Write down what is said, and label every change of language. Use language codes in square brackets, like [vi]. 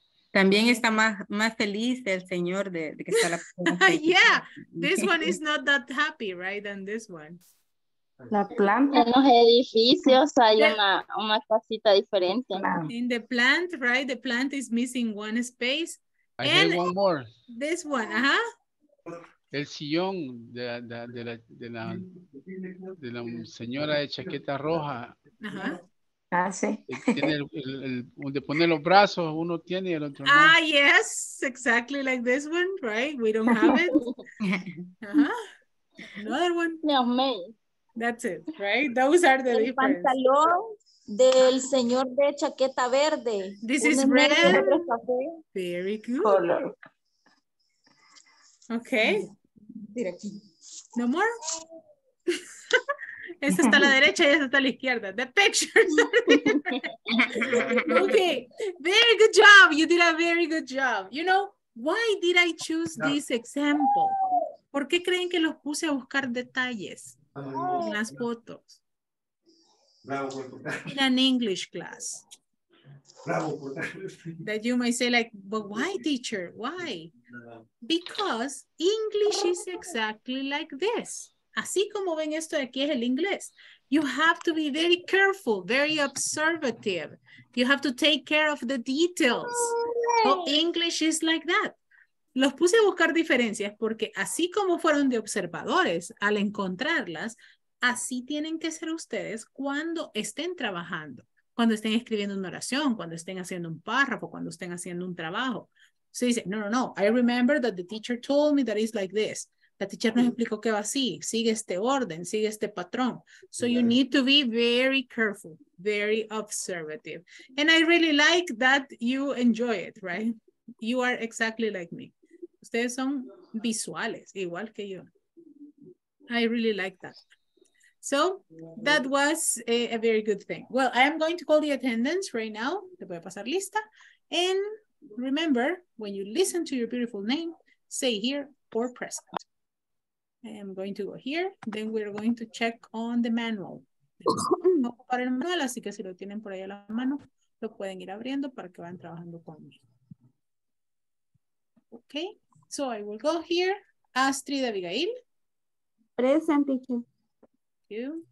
[es] También está más feliz el señor de que está la... [en] Yeah, this one is not that happy, right, than this one. [es] La planta. En los edificios hay una casita diferente. [en] In the plant, right, the plant is missing one space. I need one more. This one, uh-huh. [es] El sillón de la señora de chaqueta roja. Ajá. Ah, sí. Tiene el donde pone los brazos, uno tiene y el otro no. [en] Ah, yes, exactly like this one, right? We don't have it. Another one. [es] No, me. [en] That's it, right? Those are the difference. [es] El pantalón del señor de chaqueta verde. [en] This is red. Very good. Color. Okay. No more. [es] Esta está a la derecha y esta está a la izquierda. [en] The pictures. Okay. Very good job. You did a very good job. You know, why did I choose this example? [es] ¿Por qué creen que los puse a buscar detalles en las fotos? [en] In an English class. That you might say like, but why, teacher? Why? Because English is exactly like this. [es] Así como ven esto de aquí es el inglés. [en] You have to be very careful, very observative. You have to take care of the details. So English is like that. [es] Los puse a buscar diferencias porque así como fueron de observadores al encontrarlas, así tienen que ser ustedes cuando estén trabajando. Cuando estén escribiendo una oración, cuando estén haciendo un párrafo, cuando estén haciendo un trabajo. Se dice, no, [en] I remember that the teacher told me that it's like this. [es] La teacher nos explicó que va así, sigue este orden, sigue este patrón. [en] So you need to be very careful, very observative. And I really like that you enjoy it, right? You are exactly like me. [es] Ustedes son visuales, igual que yo. [en] I really like that. So that was a very good thing. Well, I am going to call the attendance right now. [es] Te voy a pasar lista. [en] And remember, when you listen to your beautiful name, say here or present. I am going to go here. Then we're going to check on the manual. [es] No para el manual, así que si lo tienen por ahí a la mano, lo pueden ir abriendo para que vayan trabajando conmigo. [en] Okay, so I will go here. Astrid Abigail. Present, teacher.